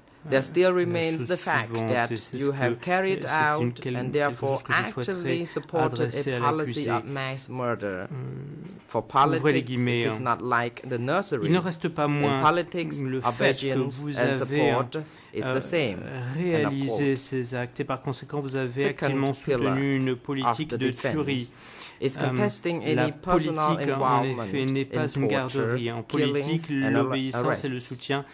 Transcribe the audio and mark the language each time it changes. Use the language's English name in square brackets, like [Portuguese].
[English] There still remains the fact that you have carried out and therefore actively supported a policy of mass murder. For politics, it is not like the nursery. [French] Il ne reste pas moins [English] in politics, obedience and support is the same. [French] Réalisé ces actes et par conséquent, vous avez actuellement soutenu une politique de tuerie. [English] Is contesting any personal involvement in torture, killings, and arrests.